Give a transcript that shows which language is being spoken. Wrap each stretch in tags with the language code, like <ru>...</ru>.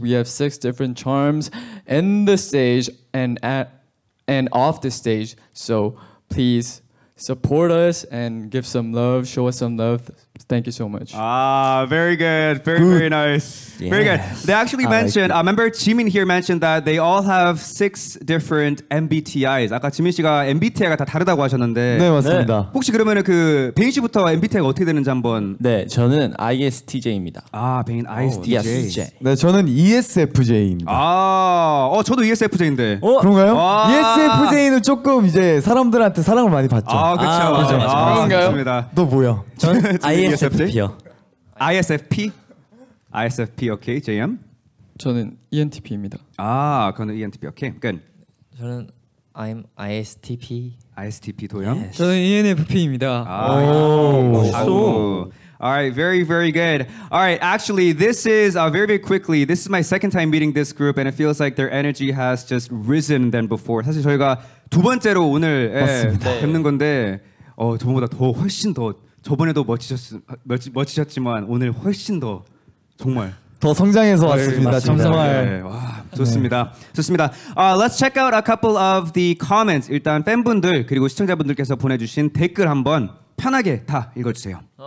<en>We have six different charms in the stage and off the stage. So please support us and give some love, show us some love. Thank you so much. Ah, very good. Very, very nice. Yes. Very good. They actually mentioned, I remember Jimin here mentioned that they all have six different MBTIs.</en> <ko>아까 지민 씨가 MBTI가 다 다르다고 하셨는데. 네, 맞습니다. 네. 혹시 그러면 그 베인 씨부터 MBTI가 어떻게 되는지 한번. 네, 저는 ISTJ입니다. 아, 베인 ISTJ. ESJ. 네, 저는 ESFJ입니다. 아, 저도 ESFJ인데. 그런가요? 아. ESFJ는 조금 이제 사람들한테 사랑을 많이 받죠. 아, 그렇죠. 그렇죠. 아, 맞습니다. 너 뭐야? 저는 ISFP요.</ko> <en>ISFP? ISFP, okay, JM?</en> <ko>저는 ENTP입니다. 아, 그건 ENTP,</ko> <en>okay, good.</en> <ko>저는</ko> <en>I'm ISTP. ISTP, 도현? Yes.</en> <ko>저는 ENFP입니다. 아, 멋있어.</ko> <en>All right, very, very good. All right, actually, this is, very, very quickly, this is my second time meeting this group, and it feels like their energy has just risen than before.</en> <ko>사실 저희가 두 번째로 오늘 뵙는 건데, 두 분보다 더 훨씬 더 저번에도 멋지셨지만 오늘 훨씬 더 정말 더 성장해서 왔습니다. 정말 네, 와 좋습니다. 네. 좋습니다.</ko> <en>Let's check out a couple of the comments.</en> <ko>일단 팬분들 그리고 시청자분들께서 보내주신 댓글 한번 편하게 다 읽어주세요.</ko>